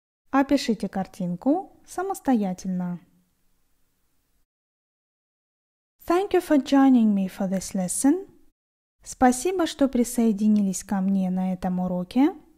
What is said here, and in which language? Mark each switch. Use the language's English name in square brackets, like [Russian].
[Russian] Опишите картинку самостоятельно. [English] Thank you for joining me for this lesson. [Russian] Спасибо, что присоединились ко мне на этом уроке.